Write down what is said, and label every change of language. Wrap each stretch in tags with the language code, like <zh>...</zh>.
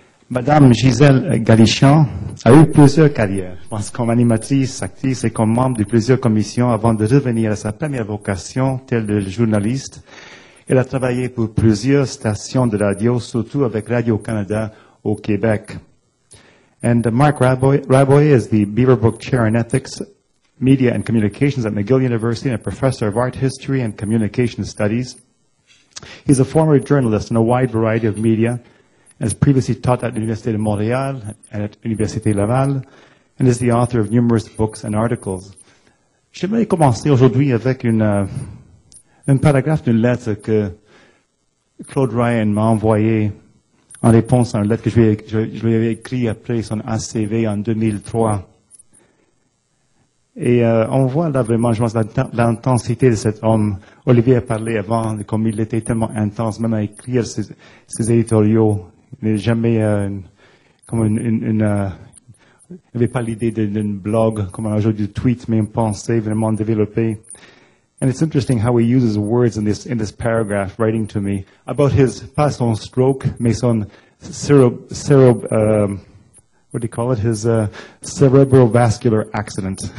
<fr>Madame Gisèle Galichan a eu plusieurs carrières, je pense, comme animatrice, actrice et comme membre de plusieurs commissions avant de revenir à sa première vocation, telle de journaliste. Elle a travaillé pour plusieurs stations de radio, surtout avec Radio-Canada au Québec.</fr> <en>And Mark Raboy is the Beaverbrook Chair in Ethics, Media and Communications at McGill University and a professor of art history and communication studies. He's a former journalist in a wide variety of media, has previously taught at l'Université de Montréal and at l'Université Laval, and is the author of numerous books and articles.</en> <fr>J'aimerais commencer aujourd'hui avec un paragraphe d'une lettre que Claude Ryan m'a envoyée en réponse à une lettre que je lui avais écrite après son ACV en 2003. Et on voit là vraiment, je pense, l'intensité de cet homme. Olivier a parlé avant, comme il était tellement intense, même à écrire ses éditoriaux. Il n'est jamais il n'avait pas l'idée d'un blog, comme un jour du tweet, mais une pensée vraiment développée.</fr> <en>And it's interesting how he uses words in this paragraph, writing to me about his</en> <fr>pas son</fr> <en>stroke,</en> <fr>mais son</fr> <en>cerebrovascular accident.</en>